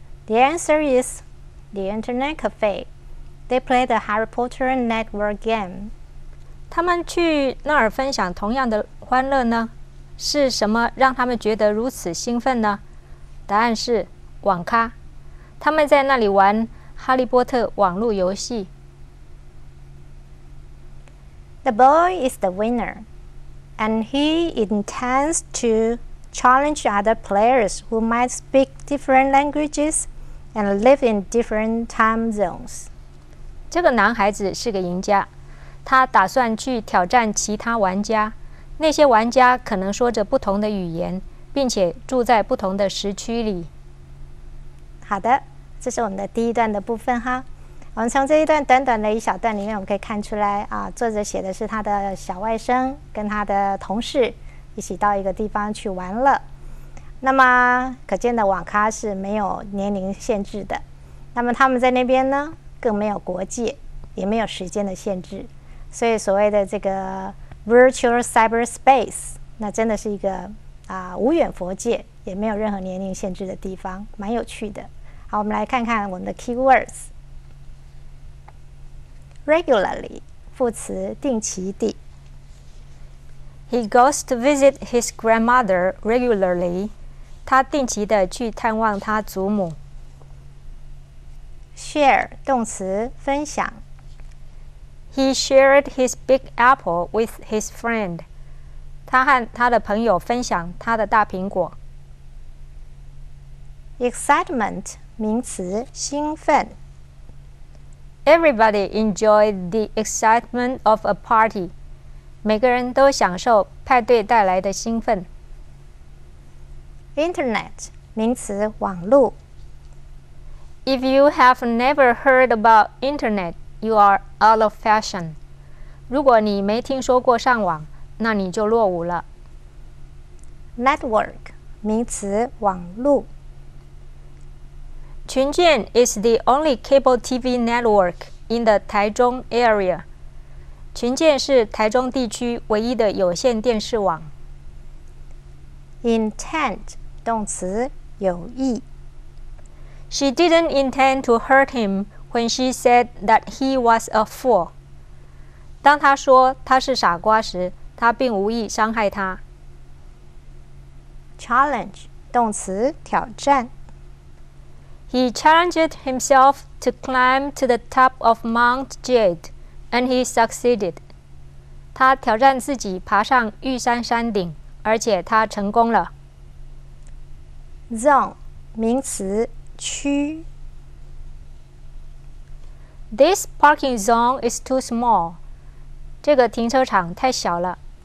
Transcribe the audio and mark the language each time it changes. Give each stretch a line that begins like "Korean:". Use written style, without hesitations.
English: The answer is the internet cafe. They play the Harry Potter network game.
Chinese: 他们去那儿分享同样的欢乐呢？是什么让他们觉得如此兴奋呢？答案是网咖。他们在那里玩哈利波特网络游戏。
English: The boy is the winner, and he intends to challenge other players who might speak different languages and live in different time zones.
Chinese: 这个男孩子是个赢家，他打算去挑战其他玩家，那些玩家可能说着不同的语言，并且住在不同的时区里。好的，这是我们的第一段的部分哈。我们从这一段短短的一小段里面，我们可以看出来作者写的是他的小外甥跟他的同事一起到一个地方去玩乐。那么可见的网咖是没有年龄限制的，那么他们在那边呢更没有国界，也没有时间的限制，所以所谓的这个 virtual cyberspace 那真的是一个无远佛界，也没有任何年龄限制的地方，蛮有趣的。好，我们来看看我们的 keywords。 Regularly 副词，定期地。
English: He goes to visit his grandmother regularly.
Chinese: 他定期的去探望他祖母。 Share 动词，分享。
English: He shared his big apple with his friend.
Chinese: 他和他的朋友分享他的大苹果。 Excitement 名词，兴奋。
English: Everybody enjoyed the excitement of a party.
Chinese: 每个人都享受派对带来的兴奋。 Internet 名词，网路。
English: If you have never heard about internet, you are out of fashion.
Chinese: 如果你没听说过上网，那你就落伍了。 Network 名词，网路。
English: 群建 is the only cable TV network in the 台中 area.
Chinese: 群建是台中地区唯一的有线电视网。 Intent 动词，有意。
English: She didn't intend to hurt him when she said that he was a fool.
Chinese: 当她说他是傻瓜时，她并无意伤害他。 Challenge 动词，挑战。
English: He challenged himself to climb to the top of Mount Jade, and he succeeded.
Chinese: 他挑战自己爬上玉山山顶，而且他成功了。 Zone, 名词，区。
English: This parking zone is too small.
Chinese: 这个停车场太小了。